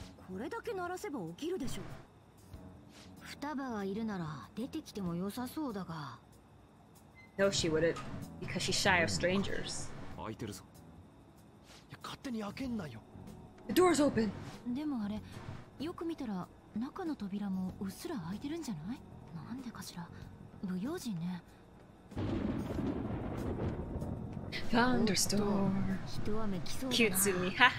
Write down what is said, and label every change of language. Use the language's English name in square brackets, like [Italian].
[Japanese] これだけ鳴らせば起きるでしょう。双葉がいるなら出てきても良さそうだが。 [English] No, she wouldn't, because she's shy of strangers. [Japanese] 開いてるぞ。いや、勝手に開けんなよ。 [English] The door's open. [Japanese] でもあれ、よく見たら中の扉もうっすら開いてるんじゃない？なんでかしら。不用心ね。 [English] Thunderstorm. Kitsumi.